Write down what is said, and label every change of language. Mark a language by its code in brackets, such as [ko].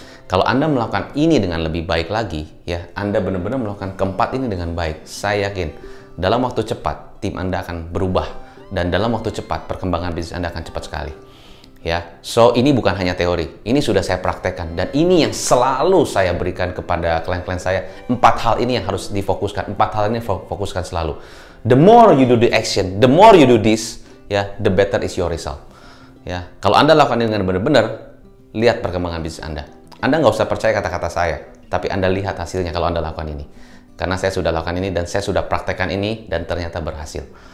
[id] Kalau Anda melakukan ini dengan lebih baik lagi, ya Anda benar-benar melakukan keempat ini dengan baik, saya yakin dalam waktu cepat tim Anda akan berubah dan dalam waktu cepat perkembangan bisnis Anda akan cepat sekali. Ya, so ini bukan hanya teori, ini sudah saya praktekkan dan ini yang selalu saya berikan kepada klien-klien saya. 4 hal ini yang harus difokuskan, 4 hal ini fokuskan selalu. [en] The more you do the action, the more you do this, ya, the better is your result. [id] Ya, kalau Anda lakukan ini dengan benar-benar, lihat perkembangan bisnis Anda. Anda nggak usah percaya kata-kata saya, tapi Anda lihat hasilnya kalau Anda lakukan ini. Karena saya sudah lakukan ini dan saya sudah praktekkan ini dan ternyata berhasil.